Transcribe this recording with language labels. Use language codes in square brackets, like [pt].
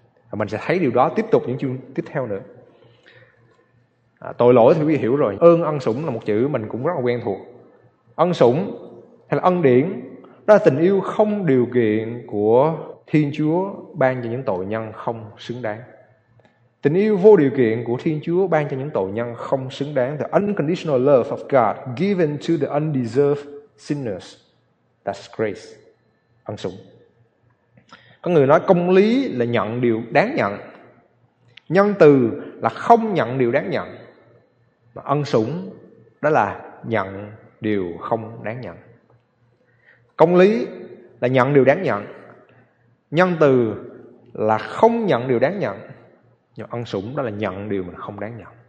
[vi] Và mình sẽ thấy điều đó tiếp tục những chương tiếp theo nữa. Tội lỗi thì quý vị hiểu rồi. Ơn ân sủng là một chữ mình cũng rất là quen thuộc. Ân sủng hay là ân điển, đó là tình yêu không điều kiện của Thiên Chúa ban cho những tội nhân không xứng đáng. Tình yêu vô điều kiện của Thiên Chúa ban cho những tội nhân không xứng đáng. [en] The unconditional love of God given to the undeserved sinners. That's grace. [vi] Ân sủng. Có người nói công lý là nhận điều đáng nhận, nhân từ là không nhận điều đáng nhận, mà ân sủng đó là nhận điều không đáng nhận. Công lý là nhận điều đáng nhận, nhân từ là không nhận điều đáng nhận, nhưng ân sủng đó là nhận điều mình không đáng nhận.